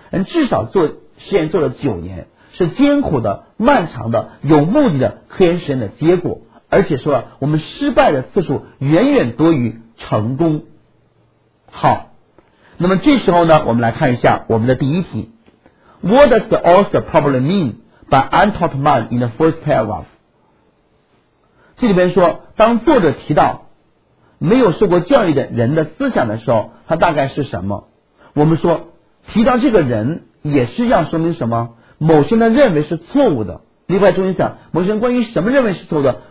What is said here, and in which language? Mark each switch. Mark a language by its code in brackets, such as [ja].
[zh] 人至少做实验做了9年，是艰苦的、漫长的、有目的的科研实验的结果。而且说，我们失败的次数远远多于成功。好，那么这时候呢，我们来看一下我们的第一题。 [en] What does the author probably mean by untaught man in the first paragraph? [zh] 这里边说，当作者提到没有受过教育的人的思想的时候，他大概是什么？我们说，提到这个人也是要说明什么？某些人认为是错误的。另外，中心想，某些人关于什么认为是错误的？